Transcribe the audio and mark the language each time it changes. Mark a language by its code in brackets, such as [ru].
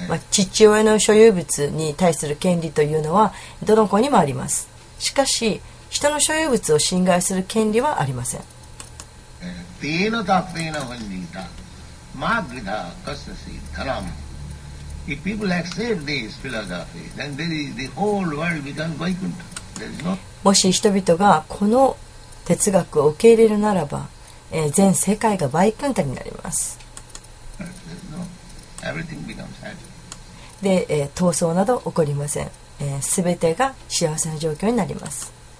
[ja] 父親の所有物に対する権利というのはどの子にもあります。しかし人の所有物を侵害する権利はありません。 [sa] ティーノタフティーノハンディータマーグリダーカスタシータラム。 [en] If people accept this philosophy, then there is the whole world becomes Vaikuntha. There is no. [ja] もし人々がこの哲学を受け入れるならば、全世界がバイクンタになります。 [en] No. Everything becomes happy. [ja] で、闘争など起こりません。すべてが幸せな状況になります。